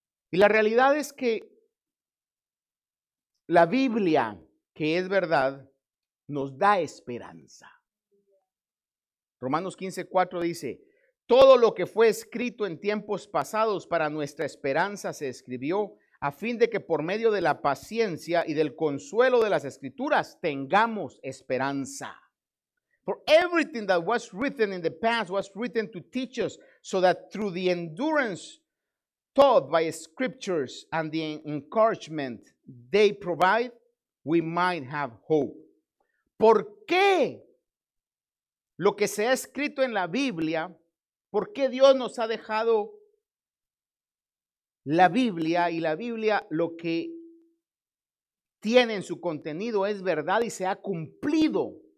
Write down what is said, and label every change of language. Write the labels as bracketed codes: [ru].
[es] Y la realidad es que la Biblia, que es verdad, nos da esperanza. Romanos 15:4 dice, todo lo que fue escrito en tiempos pasados para nuestra esperanza se escribió a fin de que por medio de la paciencia y del consuelo de las Escrituras tengamos esperanza. [en] For everything that was written in the past was written to teach us so that through the endurance taught by scriptures and the encouragement they provide, we might have hope. [es] ¿Por qué lo que se ha escrito en la Biblia, por qué Dios nos ha dejado la Biblia y la Biblia lo que tiene en su contenido es verdad y se ha cumplido?